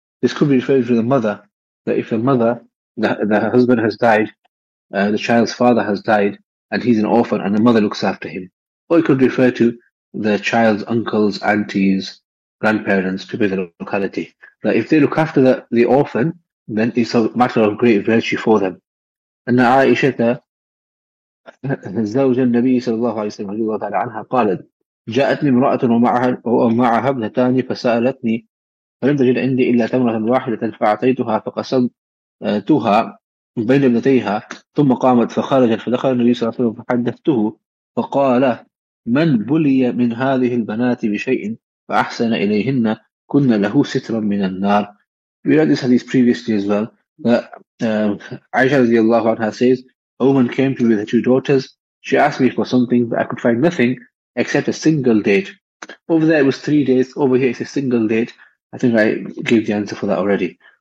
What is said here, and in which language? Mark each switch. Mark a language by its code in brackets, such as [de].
[en] This could be referred to the mother, that if the mother, the husband has died, the child's father has died, and he's an orphan, and the mother looks after him. Or it could refer to the child's uncles, aunties, grandparents, people in the locality. That if they look after the orphan, then it's a matter of great virtue for them. [ar] And the Aisha, الزوجة النبي صلى الله عليه وسلم رضي الله تعالى عنها قالت جاءتني امرأة ومعها ابنتان فسألتني فلم تجد عندي إلا تمرة واحدة فأعطيتها فقسمتها بين ابنتيها ثم قامت فخرجت فدخل النبي صلى الله عليه وسلم فحدثته فقال من بلي من هذه البنات بشيء فأحسن إليهن كن له سترا من النار. [en] We read this hadith previously as well, that Aisha رضي الله عنها says, a woman came to me with her two daughters. She asked me for something, but I could find nothing except a single date. Over there it was 3 days. Over here it's a single date. I think I gave the answer for that already.